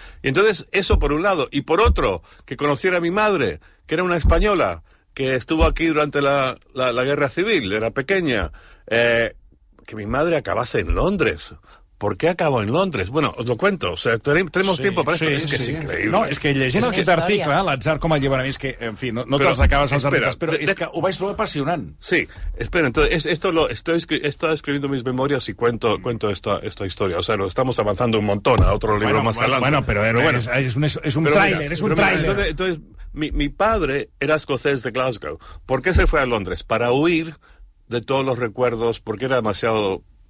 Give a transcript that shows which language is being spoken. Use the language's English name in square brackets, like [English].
[Spanish] Y entonces, eso por un lado, y por otro, que conociera a mi madre, que era una española, que estuvo aquí durante la guerra civil, era pequeña, que mi madre acabase en Londres. ¿Por qué acabó en Londres? Bueno, os lo cuento, o sea, tenemos tiempo para esto, es que es increíble. [Catalan] No, es que llegint aquest article, l'atzar com el lleva a mi, es que, en fi, no te'ls acabes els articles, però és que ho vaig trobar apassionant. [Spanish] Sí, espera, entonces, esto escribiendo mis memorias y cuento esta historia, o sea, lo estamos avanzando un montón a otro libro más adelante. Bueno, pero es un tráiler. Entonces, mi padre era escocés de Glasgow. ¿Por qué se fue a Londres? Para huir de todos los recuerdos, porque era demasiado...